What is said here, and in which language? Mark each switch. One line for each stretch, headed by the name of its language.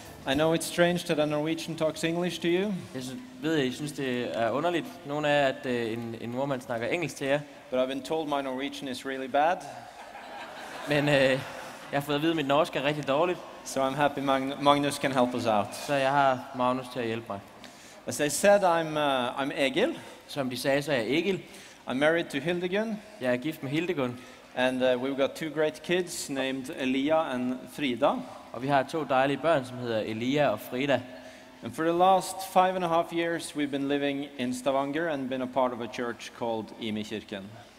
English: I know it's strange that a Norwegian talks English to you.
Danish: Jeg synes det er underligt. Nogle af at en nordmand snakker engelsk til jer.
English: But I've been told my Norwegian is really bad.
Danish: Men jeg har fået at vide, at mit norsk er rigtig dårligt.
English: So I'm happy Magnus can help us out.
Danish: Så jeg har Magnus til at hjælpe mig.
English: As I said, I'm Egil.
Danish: Som de sagde, så er jeg Egil.
English: I'm married to Hildegunn.
Danish: Jeg er gift med Hildegunn.
English: And we've got two great kids named Elia and Frida.
Danish: Og vi har to dejlige børn, som hedder Elia og Frida.
English: And for the last 5.5 years, we've been living in Stavanger and been a part of a church called IMI Kirken.